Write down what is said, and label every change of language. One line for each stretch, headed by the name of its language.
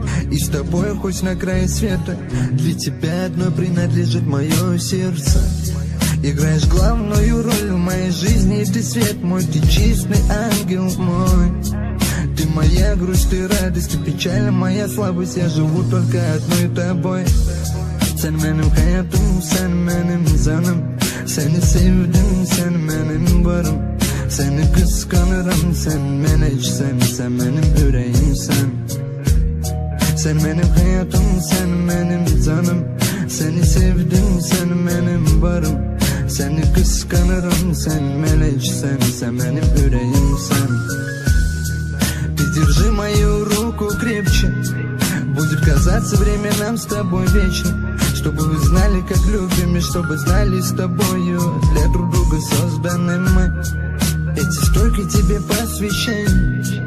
Russian: И с тобой хоть на краю света, для тебя одной принадлежит мое сердце. Играешь главную роль в моей жизни, ты свет мой, ты чистый ангел мой. Ты моя грусть, ты радость, ты печаль, моя слабость, я живу только одной тобой.
Turkish: Sen benim hayatım, sen benim canım. Seni sevdim, sen benim varım. Seni kıskanırım, sen beni içsen. Sen benim yüreğimsen. Sen benim hayatım, sen benim canım. Seni sevdim, sen benim varım. Seni kıskanırım, sen melечсен. Sen benim yüreğimsen.
Russian: Придержи мою руку крепче. Будет казаться время нам с тобой вечно. Чтобы вы знали, как любим, и чтобы знали с тобою. Для друг друга созданы мы. Эти строки тебе посвящаем.